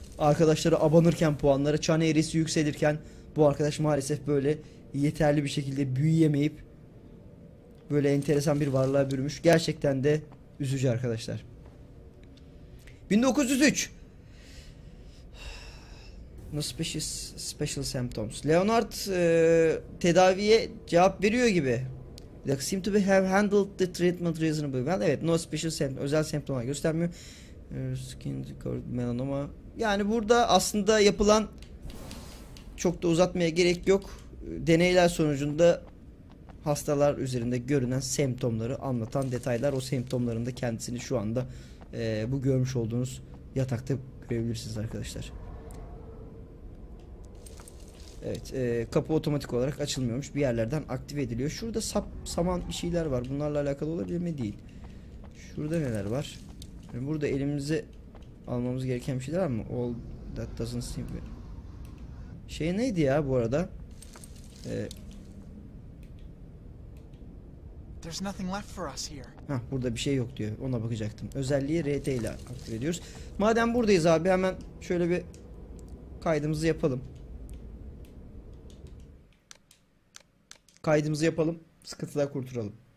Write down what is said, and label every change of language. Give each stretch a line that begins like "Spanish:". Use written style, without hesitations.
Turkish: Arkadaşları abanırken puanları, çan eğrisi yükselirken bu arkadaş maalesef böyle yeterli bir şekilde büyüyemeyip böyle enteresan bir varlığa bürümüş. Gerçekten de üzücü arkadaşlar. 1903.
English: No special symptoms.
Turkish: Leonard tedaviye cevap veriyor gibi.
English: They seem to be have handled the treatment reasonably well. Evet, no special symptoms.
Turkish: Özel semptomlar göstermiyor.
English: Skin cord melanoma.
Turkish: Yani burada aslında yapılan, çok da uzatmaya gerek yok, deneyler sonucunda hastalar üzerinde görünen semptomları anlatan detaylar. O semptomların da kendisini şu anda bu görmüş olduğunuz yatakta görebilirsiniz arkadaşlar. Evet, kapı otomatik olarak açılmıyormuş. Bir yerlerden aktive ediliyor. Şurada sap, saman bir şeyler var. Bunlarla alakalı olabilir mi? Değil. Şurada neler var? Yani burada elimize almamız gereken bir şeyler var mı?
English: All that doesn't seem good.
Turkish: Şey neydi ya bu arada?
English: There's nothing left for us here.
Turkish: Ha, burada bir şey yok diyor. Ona bakacaktım. Özelliği RT ile aktive ediyoruz. Madem buradayız abi, hemen şöyle bir kaydımızı yapalım. Kaydımızı yapalım. Sıkıntıdan kurtulalım.